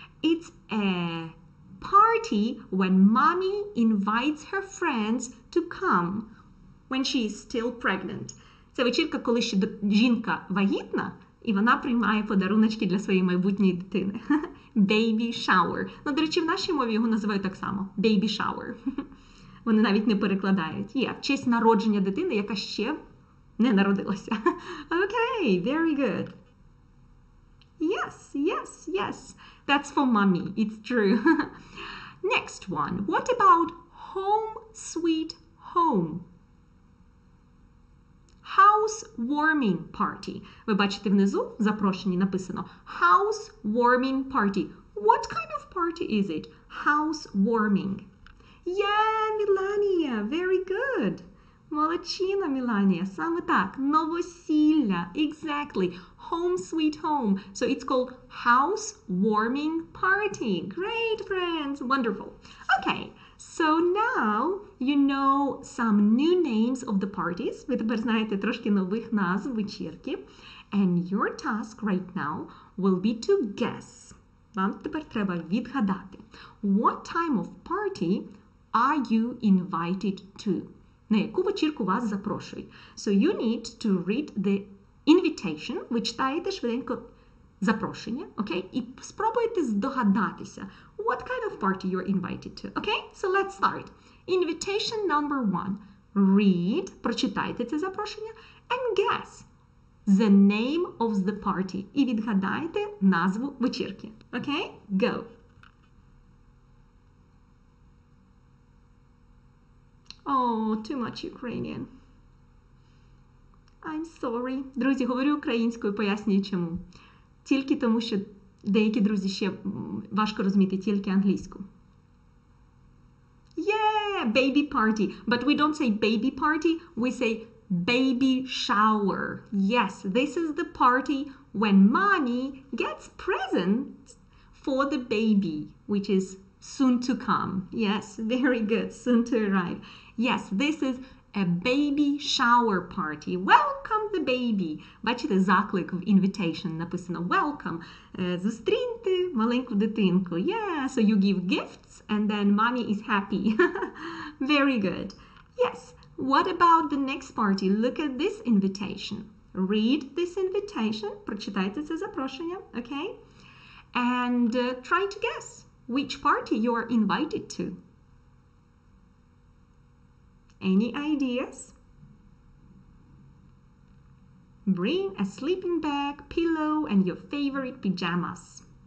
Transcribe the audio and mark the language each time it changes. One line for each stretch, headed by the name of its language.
English: It's a party when mommy invites her friends to come when she is still pregnant.
Ukrainian: Це вечірка, коли ще жінка вагітна, і вона приймає подаруночки для своєї майбутньої дитини.
English: Baby shower.
Ukrainian: Ну, до речі, в нашій мові його називають так само.
English: Baby shower.
Ukrainian: Вони навіть не перекладають. Є, в честь народження дитини, яка ще не народилася.
English: Okay, very good. Yes, yes, yes. That's for mommy. It's true. Next one. What about home sweet home?
Ukrainian: Housewarming party. Ви бачите внизу, в запрошенні написано housewarming party.
English: What kind of party is it? Housewarming. Yeah, Melania. Very good.
Ukrainian: Молодчина, Меланія. Саме так.
English: Новосілля. Exactly. Home sweet home. So it's called housewarming party. Great, friends. Wonderful. Okay. So now you know some new names of the parties.
Ukrainian: Ви тепер знаєте трошки нових назв вечірки.
English: And your task right now will be to guess.
Ukrainian: Вам тепер треба відгадати.
English: What time of party are you invited to?
Ukrainian: На яку вечірку вас запрошують?
English: So you need to read the invitation.
Ukrainian: Ви читаєте швиденько запрошення, okay? І спробуйте здогадатися,
English: what kind of party you're invited to, okay? So let's start. Invitation number one. Read,
Ukrainian: прочитайте це запрошення,
English: and guess the name of the party.
Ukrainian: І відгадайте назву вечірки, okay?
English: Go. Oh, too much Ukrainian. I'm sorry.
Ukrainian: Друзі, говорю українською, пояснюю чому. Тільки тому, що деякі друзі ще важко розуміти тільки англійську.
English: Yeah, baby party. But we don't say baby party, we say baby shower. Yes, this is the party when mommy gets presents for the baby, which is soon to come. Yes, very good. Soon to arrive. Yes, this is a baby shower party. Welcome the baby.
Ukrainian: Бачите, заклик в invitation написано welcome. Зустріньте маленьку дитинку.
English: Yeah, so you give gifts and then mommy is happy. Very good. Yes, what about the next party? Look at this invitation. Read this invitation.
Ukrainian: Прочитайте це запрошення, okay?
English: And try to guess which party you are invited to. Any ideas? Bring a sleeping bag, pillow, and your favorite pajamas.